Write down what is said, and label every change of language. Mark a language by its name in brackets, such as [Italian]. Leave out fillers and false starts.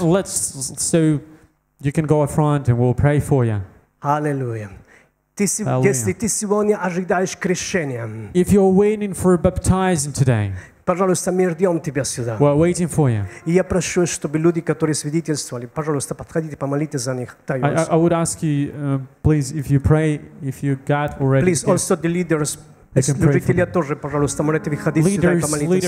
[English] Let's, so you can go up front, and we'll pray for you. Hallelujah. [Russian] Если ты сегодня ожидаешь крещения, [English] if you're waiting for baptizing today, [Russian] Пожалуйста, мы ждем тебя сюда. [English] We're waiting for you. [Russian] И я прошу, чтобы люди, которые свидетельствовали, пожалуйста, подходите, помолитесь за них. [English] I would ask you, please, if you pray, if you got already. Please, also the leaders. [Russian] Служители тоже, пожалуйста, можете выходить сюда и помолиться.